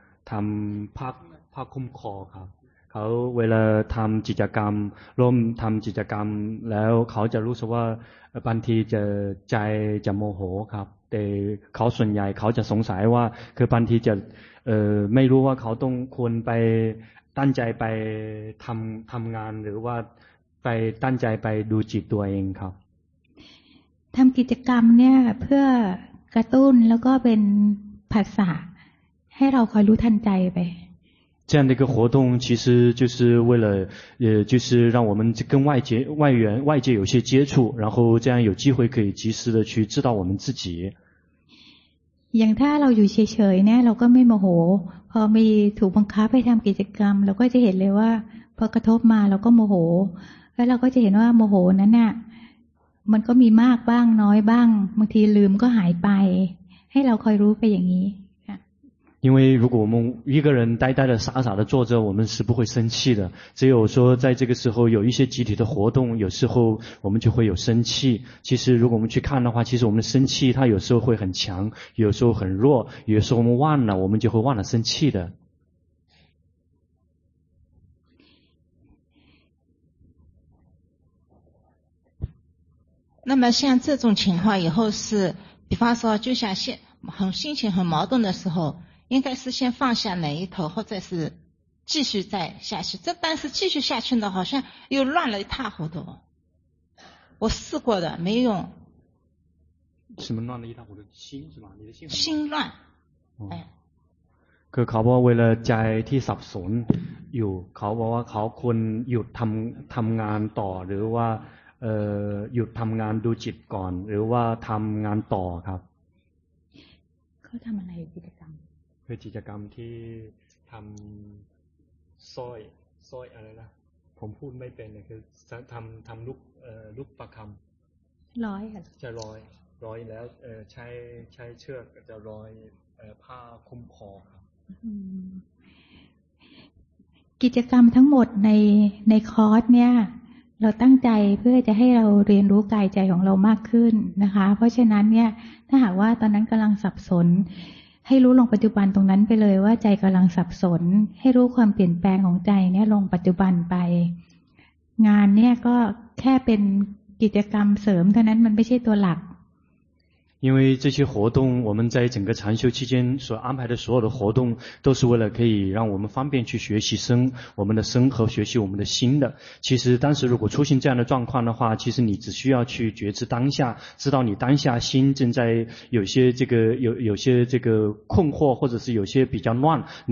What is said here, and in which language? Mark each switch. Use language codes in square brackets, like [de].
[th] ทำภาคคุ้มคอครับเขาเวลาทำกิจกรรมร่วมทำกิจกรรมแล้วเขาจะรู้สึกว่าบางทีจะใจจะโมโหครับแต่เขาส่วนใหญ่เขาจะสงสัยว่าคือบางทีจะไม่รู้ว่าเขาต้องควรไปตั้งใจไปทำงานหรือว่าไปตั้งใจไปดูจิตตัวเองครับ ทำกิจกรรมเนี่ยเพื่อกระตุ้นแล้วก็เป็นภาษาให้เราคอยรู้ทันใจไป [zh] 这样的一个活动其实就是为了就是让我们跟外界有些接触然后这样有机会可以及时的去知道我们自己 [th] อย่างถ้าเราอยู่เฉยๆเนี่ยเราก็ไม่โมโหพอมีถูกบังคับให้ทำกิจกรรมเราก็จะเห็นเลยว่าพอกระทบมาเราก็โมโหแล้วเราก็จะเห็นว่าโมโหนั้นน่ะมันก็มีมากบ้างน้อยบ้างบางทีลืมก็หายไปให้เราคอยรู้ไปอย่างนี้ [zh] 因为如果我们一个人呆呆的傻傻的坐着我们是不会生气的只有说在这个时候有一些集体的活动有时候我们就会有生气其实如果我们去看的话其实我们的生气它有时候会很强有时候很弱有时候我们忘了我们就会忘了生气的那么像这种情况以后是比方说就像心情很矛盾的时候应该是先放下哪一头或者是继续再下去这但是继续下去呢好像又乱了一塌糊涂我试过的没用什么乱了一塌糊涂心是吧你的心心乱 [th] คือเขาบอกเวลาใจที่สับสนอยู่เขาบอกว่าเขาควรหยุดทำงานต่อหรือว่าหยุดทำงานดูจิตก่อนหรือว่าทำงานต่อครับ เขาทำอะไรกิจกรรม คือกิจกรรมที่ทำซอยอะไรนะผมพูดไม่เป็นนะคือทำลูกประคำ ร้อย จะร้อยร้อยแล้วใช้เชือกจะร้อยผ้าคลุมคอครับ กิจกรรมทั้งหมดในคอร์สเนี่ยเราตั้งใจเพื่อจะให้เราเรียนรู้กายใจของเรามากขึ้นนะคะเพราะฉะนั้นเนี่ยถ้าหากว่าตอนนั้นกำลังสับสนให้รู้ลงปัจจุบันตรงนั้นไปเลยว่าใจกำลังสับสนให้รู้ความเปลี่ยนแปลงของใจเนี่ยลงปัจจุบันไปงานเนี่ยก็แค่เป็นกิจกรรมเสริมเท่านั้นมันไม่ใช่ตัวหลัก [zh] 因为这些活动我们在整个禅修期间所安排的所有的活动都是为了可以让我们方便去学习生我们的生和学习我们的心的其实当时如果出现这样的状况的话其实你只需要去觉知当下知道你当下心正在有些这个有些这个困惑或者是有些比较乱